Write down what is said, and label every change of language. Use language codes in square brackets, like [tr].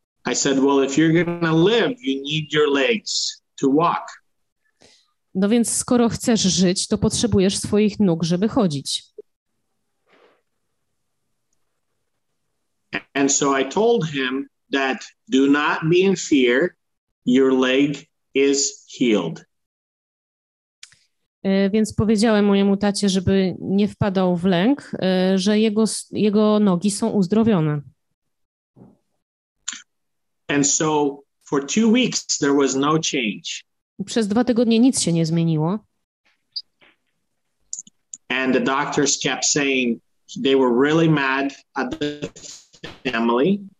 [en] I said, well, if you're gonna live, you need your legs to walk. [pl] No więc skoro chcesz żyć, to potrzebujesz swoich nóg, żeby chodzić. [en] And so I told him that do not be in fear, your leg is healed. [pl] Więc powiedziałem mojemu tacie, żeby nie wpadał w lęk, że jego nogi są uzdrowione. [en] And so for 2 weeks there was no change. [pl] Przez 2 tygodnie nic się nie zmieniło. [en] And the doctors kept saying they were really mad at the family.